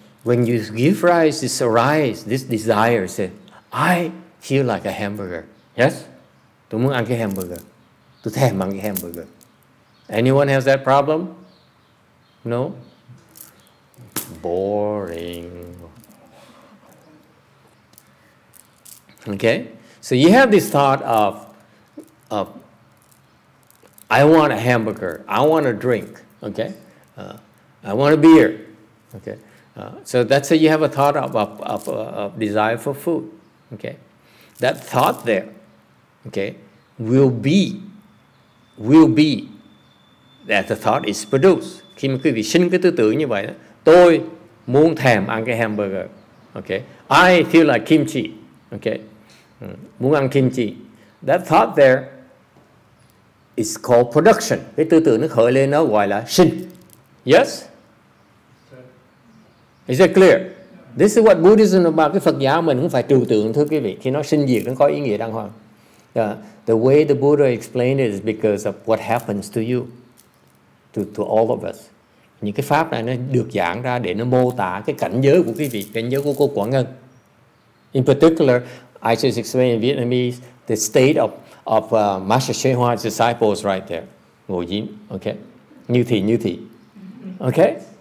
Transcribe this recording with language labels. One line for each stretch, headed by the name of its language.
English: When you give rise, this arise, this desire, say, I feel like a hamburger. Yes?
Vietnamese: Tôi muốn ăn cái hamburger. Tôi thèm ăn cái hamburger.
English: Anyone has that problem? No? Boring. Okay? So you have this thought of I want a hamburger. I want a drink. Okay? I want a beer. Okay? So that's how you have a thought of desire for food. Okay? That thought there, okay, will be that the thought is produced.
Vietnamese: Khi mà quý vị sinh cái tư tưởng như vậy, tôi muốn thèm ăn cái hamburger.
English: Okay? I feel like kimchi. Okay?
Vietnamese: Muốn ăn kimchi.
English: That thought there is called production.
Vietnamese: Cái tư tưởng nó khởi lên nó gọi là sinh. Yes?
English: Is it clear? This is what Buddhism about.
Vietnamese: Cái Phật giáo mình không phải trừu tượng thưa quý vị. Khi nó sinh diệt nó có ý nghĩa đàng hoàng.
English: The way the Buddha explained it is because of what happens to you, to all of us.
Vietnamese: Những cái pháp này nó được giảng ra để nó mô tả cái cảnh giới của quý vị, cảnh giới của cô Quả Ngân.
English: In particular, I just explained in Vietnamese the state of Master Xuyên Hoa's disciples right there. Ngô Dín, okay?
Vietnamese: Như thị.
English: Okay?